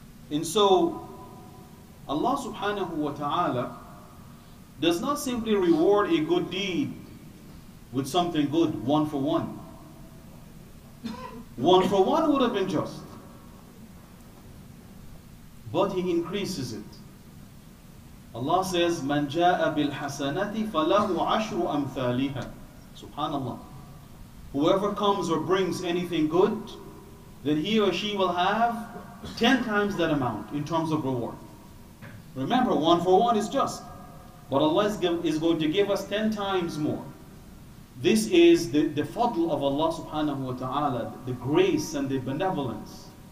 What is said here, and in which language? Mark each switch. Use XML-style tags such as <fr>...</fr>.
<en>And so, Allah subhanahu wa ta'ala does not simply reward a good deed with something good, one for one. One for one would have been just. But He increases it.</en> <ar>Allah says, مَنْ جَاءَ بِالْحَسَنَةِ فَلَهُ عَشْرُ أَمْثَالِهَا. Subhanallah.</ar> <en>Whoever comes or brings anything good, then he or she will have 10 times that amount in terms of reward. Remember, one for one is just. But Allah is going to give us 10 times more. This is the fadl of Allah subhanahu wa ta'ala, the grace and the benevolence.</en>